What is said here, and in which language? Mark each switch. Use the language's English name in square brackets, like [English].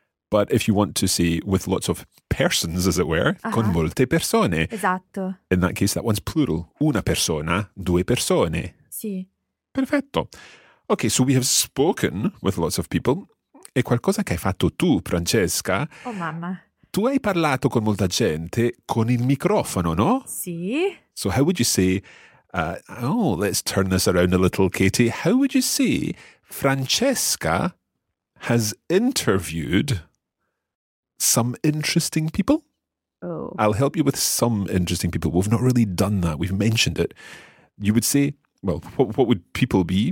[English] But if you want to say with lots of persons, as it were, uh-huh. [Italian] con molte persone. Esatto. [English] In that case, that one's plural. [Italian] Una persona, due persone. Sì. Perfetto. [English] Okay, so we have spoken with lots of people. [Italian] E qualcosa che hai fatto tu, Francesca? Oh, mamma. Tu hai parlato con molta gente con il microfono, no? Sì. [English] So how would you say... let's turn this around a little, Katie. How would you say Francesca has interviewed some interesting people? Oh. I'll help you with some interesting people. We've not really done that. We've mentioned it. You would say, well, what would people be?